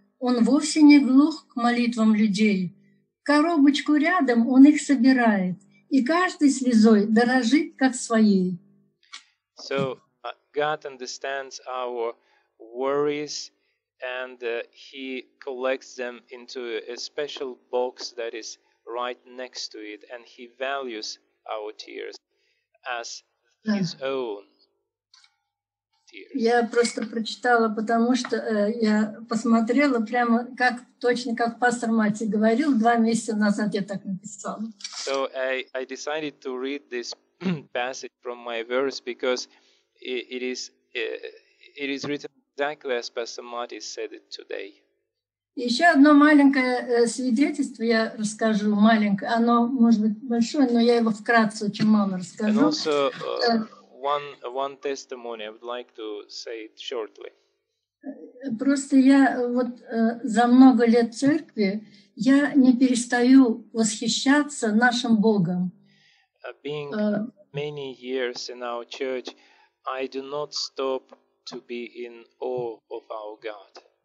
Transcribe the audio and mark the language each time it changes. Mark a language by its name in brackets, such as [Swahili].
[Russian] Он вовсе не глух к молитвам людей. Коробочку рядом Он их собирает, и каждой слезой дорожит, как своей. [English] So, God understands our worries, and He collects them into a special box that is right next to it, and He values our tears as His own tears. [Russian] Я просто прочитала, потому что я посмотрела прямо как точно, как пастор Мати говорил 2 месяца назад, я так написала. [English] So I decided to read this passage from my verse because it is written exactly as Pastor Mati said it today. [Russian] Еще одно маленькое свидетельство я расскажу, маленькое. Оно может быть большое, но я его вкратце очень мало расскажу. [English] And also one testimony I would like to say it shortly. [Russian] Просто я вот за много лет в церкви я не перестаю восхищаться нашим Богом. [English] Being many years in our church, I do not stop to be in awe of our God.